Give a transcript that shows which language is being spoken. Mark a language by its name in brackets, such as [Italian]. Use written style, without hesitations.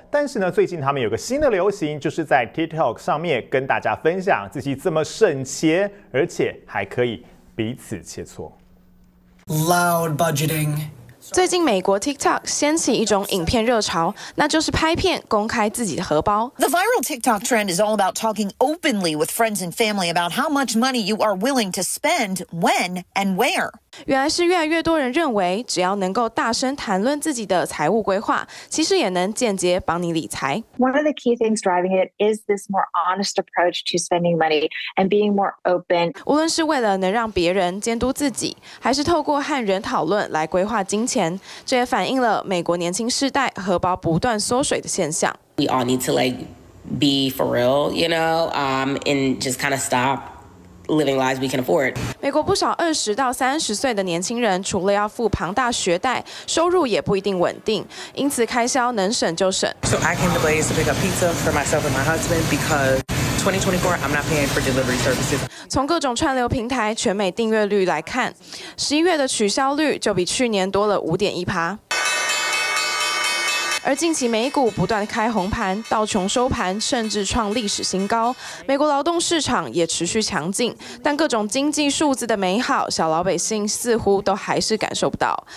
[Chinese] 但是呢，最近他们有个新的流行，就是在 TikTok 上面跟大家分享自己怎么省钱，而且还可以彼此切磋。 [English] Loud budgeting, [Chinese] 最近美国 TikTok 掀起一种影片热潮，那就是拍片公开自己的荷包。 [English] The viral TikTok trend is all about talking openly with friends and family about how much money you are willing to spend, when and where。 [Chinese] 原来是越来越多人认为，只要能够大声谈论自己的财务规划，其实也能间接帮你理财。 [English] One of the key things driving it is this more honest approach to spending money and being more open。 [Chinese] 无论是为了能让别人监督自己，还是透过和人讨论来规划金钱，这也反映了美国年轻世代荷包不断缩水的现象。 [English] We all need to like be for real, you know, and just kind of stop. Living lives we can afford. [Chinese] 美国不少20到30岁的年轻人，除了要付庞大学贷，收入也不一定稳定，因此开销能省就省。 [English] So I came to Blaze to pick up pizza for myself and my husband because 2024 I'm not paying for delivery services. [Chinese] 从各种串流平台全美订阅率来看，11月的取消率就比去年多了5.1%。而近期美股不断开红盘，道琼收盘甚至创历史新高，美国劳动市场也持续强劲，但各种经济数字的美好，小老百姓似乎都还是感受不到。